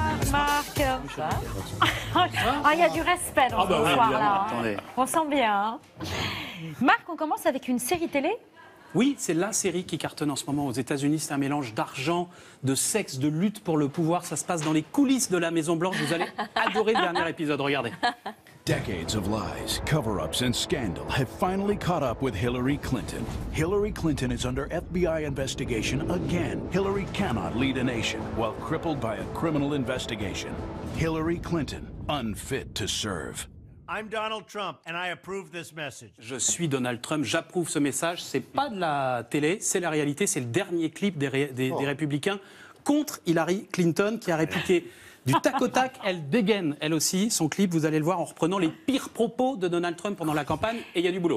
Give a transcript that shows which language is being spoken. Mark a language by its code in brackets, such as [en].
[fr] Marc, il y a du respect dans ce soir là. On sent bien. Marc, on commence avec une série télé. Oui, c'est la série qui cartonne en ce moment aux États-Unis. C'est un mélange d'argent, de sexe, de lutte pour le pouvoir. Ça se passe dans les coulisses de la Maison Blanche. Vous allez adorer le dernier épisode. Regardez. [en] Decades of lies, cover-ups and scandal have finally caught up with Hillary Clinton. Hillary Clinton is under FBI investigation again. Hillary cannot lead a nation while crippled by a criminal investigation. Hillary Clinton, unfit to serve. I'm Donald Trump and I approve this message. [fr] Je suis Donald Trump, j'approuve ce message. C'est pas de la télé, c'est la réalité, c'est le dernier clip des républicains contre Hillary Clinton qui a répliqué du tac au tac, elle dégaine, elle aussi, son clip, vous allez le voir, en reprenant les pires propos de Donald Trump pendant la campagne, et il y a du boulot.